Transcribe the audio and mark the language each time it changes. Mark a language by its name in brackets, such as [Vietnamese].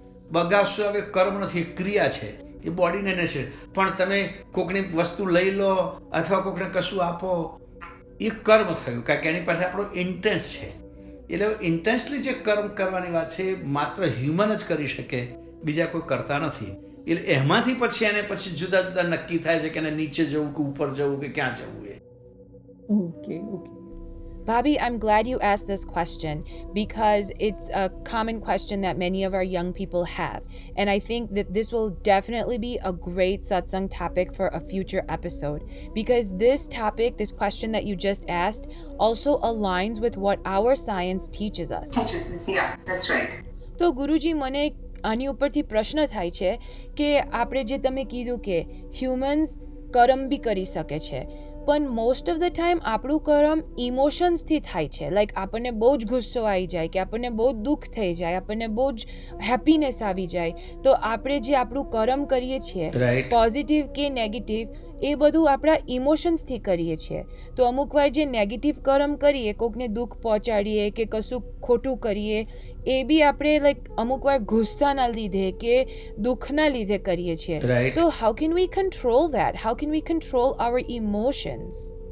[Gujarati] બગાસું આવે કર્મ નથી ક્રિયા છે એ બોડીને ને છે પણ તમે કોકને વસ્તુ લઈ લો અથવા કોકને કશું આપો એ કર્મ થયું કારણ કે એની પાસે આપણો ઇન્ટેન્સ છે એટલે ઇન્ટેન્સલી જે કર્મ કરવાની વાત છે માત્ર હ્યુમન જ કરી શકે બીજા કોઈ કરતા નથી એટલે એમાંથી પછી એને પછી જુદા જુદા નક્કી થાય છે કે એને નીચે જવું કે ઉપર જવું કે ક્યાં જવું એ okay okay [English] Bobby, I'm glad you asked this question because it's a common question that many of our young people have. And I think that this will definitely be a great satsang topic for a future episode because this topic, this question that you just asked, also aligns with what our science teaches us. Yeah, that's right. [Gujarati] So Guruji, મને આની ઉપરથી પ્રશ્ન થાય છે કે આપણે જે તમે કીધું કે humans કર્મ ભી કરી શકે છે પણ [English] most of the time [Gujarati] આપણું કર્મ ઇમોશન્સથી થાય છે લાઈક આપણને બહુ જ ગુસ્સો આવી જાય કે આપણને બહુ જ દુઃખ થઈ જાય આપણને બહુ જ હેપીનેસ આવી જાય તો આપણે જે આપણું કર્મ કરીએ છીએ પોઝિટિવ કે નેગેટિવ એ બધું આપણા ઇમોશન્સથી કરીએ છીએ તો અમુક વાર જે નેગેટિવ કર્મ કરીએ કોકને દુઃખ પહોંચાડીએ કે કશું ખોટું કરીએ એ બી આપણે લાઈક અમુક વાર ગુસ્સાના લીધે કે દુઃખના લીધે કરીએ છીએ તો [English] how can we control that how can we control our emotions